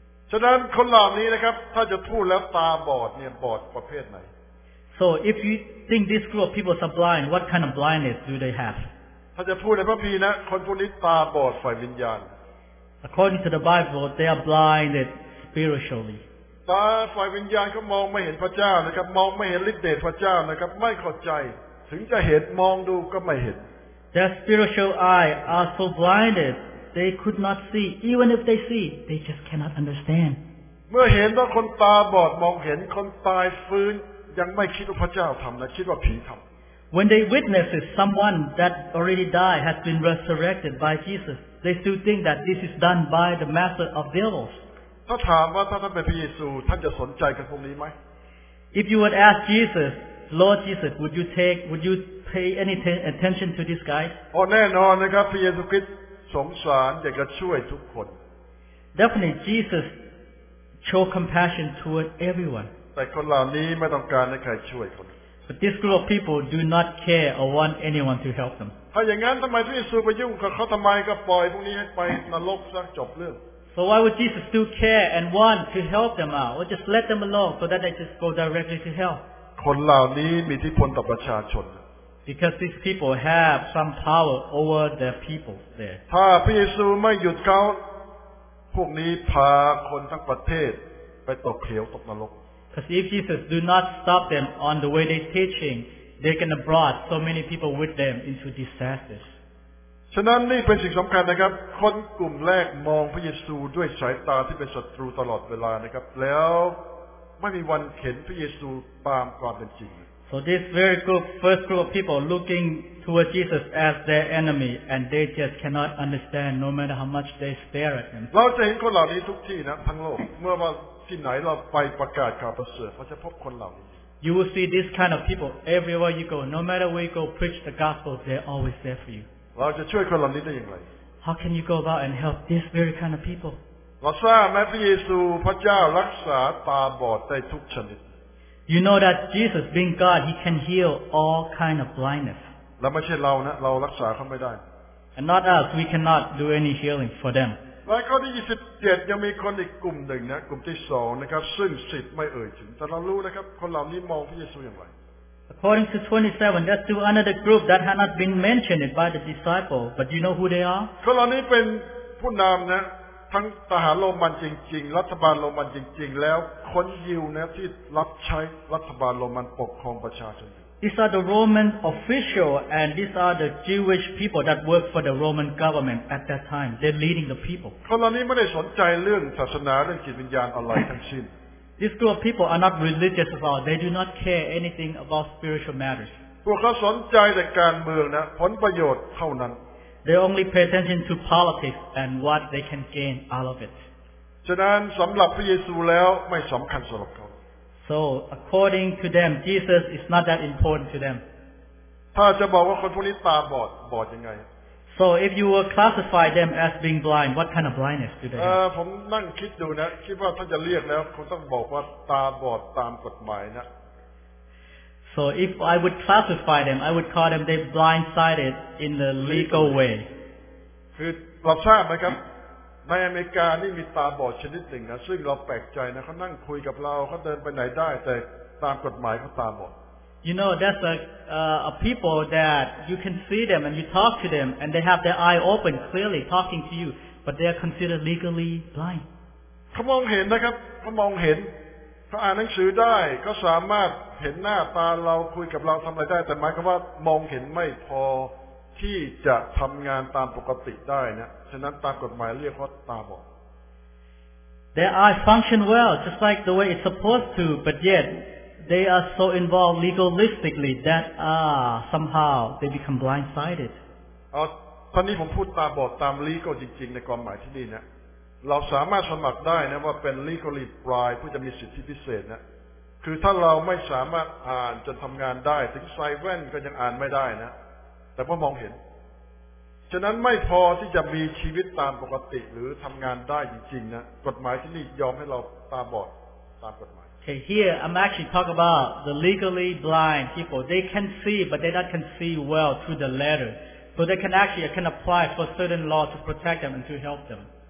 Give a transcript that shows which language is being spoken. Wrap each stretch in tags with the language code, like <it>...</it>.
<en>So if you think this group of people are blind, what kind of blindness do they have? According to the Bible, they are blinded spiritually.</en> <th>ตาฝ่ายวิญญาณเขามองไม่เห็นพระเจ้านะครับมองไม่เห็นฤทธิ์เดชพระเจ้านะครับไม่เข้าใจถึงจะเห็นมองดูก็ไม่เห็น</th> <en>Their spiritual eyes are so blinded they could not see. Even if they see, they just cannot understand.</en> <th>เมื่อเห็นว่าคนตาบอดมองเห็นคนตายฟื้น ยังไม่คิดว่าพระเจ้าทำนะคิดว่าผีทำ</th> <en>When they witnesses someone that already died has been resurrected by Jesus, they still think that this is done by the master of devils.</en> <th>ถ้าถามว่าถ้าท่านเป็นพระเยซูท่านจะสนใจกับพวกนี้ไหม</th> <en>If you would ask Jesus, Lord Jesus, would you pay any attention to this guy?</en> <th>Oh, แน่นอนนะครับพระเยซูคริสต์สงสารอยากจะช่วยทุกคน</th> <en>Definitely, Jesus showed compassion toward everyone.</en> <th>แต่คนเหล่านี้ไม่ต้องการให้ใครช่วยคน</th> <en>But this group of people do not care or want anyone to help them.</en> <th>ถ้าอย่างนั้นทำไมพระเยซูไปยุ่งกับเขาทำไมก็ปล่อยพวกนี้ให้ไปนรกซะจบเรื่อง</th> <en>So why would Jesus still care and want to help them out? Or just let them alone so that they just go directly to hell?</en> <th>คนเหล่านี้มีอิทธิพลต่อประชาชน</th> <en>Because these people have some power over their people there.</en> <th>ถ้าพระเยซูไม่หยุดเขาพวกนี้พาคนทั้งประเทศไปตกเหวตกนรก</th> <en>Because if Jesus do not stop them on the way they're teaching, they can have brought so many people with them into disasters.</en> <th>ฉะนั้นนี่เป็นสิ่งสำคัญนะครับคนกลุ่มแรกมองพระเยซูด้วยสายตาที่เป็นศัตรูตลอดเวลานะครับแล้วไม่มีวันเห็นพระเยซูตามความเป็นจริง</th> <en>So this very group, first group of people looking toward Jesus as their enemy, and they just cannot understand no matter how much they stare at him.</en> <th>เราจะเห็นคนเหล่านี้ทุกที่นะทั้งโลกเมื่อว่าที่ไหนเราไปประกาศข่าวประเสริฐเราจะพบคนเหล่านี้</th> <en>You will see this kind of people everywhere you go. No matter where you go, preach the gospel, they're always there for you.</en> <th>เราจะช่วยคนเหล่านี้ได้อย่างไร</th> <en>How can you go about and help this very kind of people?</en> <th>เราทราบไหมพระเยซูพระเจ้ารักษาตาบอดได้ทุกชนิด</th> <en>You know that Jesus, being God, He can heal all kind of blindness.</en> <th>และไม่ใช่เรานะเรารักษาเขาไม่ได้</th> <en>And not us, we cannot do any healing for them.</en> <th>ในข้อที่27ยังมีคนอีกกลุ่มหนึ่งนะกลุ่มที่สองนะครับซึ่งสิทธิ์ไม่เอ่ยถึงแต่เรารู้นะครับคนเหล่านี้มองพระเยซูอย่างไร</th> <en>According to 27 there's two another group that had not been mentioned by the disciple but you know who they are</en> <th>คนเหล่านี้เป็นผู้นำนะทั้งทหารโรมันจริงๆรัฐบาลโรมันจริงๆแล้วคนยิวนะที่รับใช้รัฐบาลโรมันปกครองประชาชน</th> <en>These are the Roman official and these are the Jewish people that work for the Roman government at that time. They're leading the people.</en> <th>คนเหล่านี้ไม่ได้สนใจเรื่องศาสนาเรื่องจิตวิญญาณอะไรทั้งสิ้น</th> <en>These group of people are not religious at all. They do not care anything about spiritual matters.</en> <th>พวกเขาสนใจแต่การเมืองนะผลประโยชน์เท่านั้น</th> <en>They only pay attention to politics and what they can gain out of it.</en> <th>ฉะนั้นสำหรับพระเยซูแล้วไม่สำคัญสำหรับเขา</th> <en>So, according to them, Jesus is not that important to them.</en> <th>ถ้าจะบอกว่าคนพวกนี้ตาบอดบอดยังไง</th> <en>So, if you were classify them as being blind, what kind of blindness do they have?</en> <th>ผมนั่งคิดดูนะคิดว่าถ้าจะเรียกแล้วคงต้องบอกว่าตาบอดตามกฎหมายนะ</th> <en>So, if I would classify them, I would call them they blindsided in the legal way.</en> <th>คือรับทราบไหมครับในอเมริกานี่มีตาบอดชนิดหนึ่งนะซึ่งเราแปลกใจนะเขานั่งคุยกับเราเขาเดินไปไหนได้แต่ตามกฎหมายเขาตาบอด</th> <en>You know that's a people that you can see them and you talk to them and they have their eye open clearly talking to you but they are considered legally blind</en> <th>เขามองเห็นนะครับเขามองเห็นเขาอ่านหนังสือได้ก็สามารถเห็นหน้าตาเราคุยกับเราทำอะไรได้แต่หมายความว่ามองเห็นไม่พอที่จะทำงานตามปกติได้นะฉะนั้นตามกฎหมายเรียกว่าตาบอด</th> <en>Their eyes function well just like the way it's supposed to but yet they are so involved legalistically that somehow they become blindsided</en> <th>ตอนนี้ผมพูดตาบอดตาม legal จริงๆในความหมายที่นี่นะเราสามารถสมัครได้นะว่าเป็น legally blind เพื่อจะมีสิทธิพิเศษนะคือถ้าเราไม่สามารถอ่านจนทำงานได้ถึงใส่แว่นก็ยังอ่านไม่ได้นะแต่พอมองเห็นฉะนั้นไม่พอที่จะมีชีวิตตามปกติหรือทำงานได้จริงๆนะกฎหมายที่นี่ยอมให้เราตาบอดตามกฎหมาย</th> <en>Okay here I'm actually talk about the legally blind people they can see but they not can see well through the letter so they can actually can apply for certain law to protect them and to help them</en>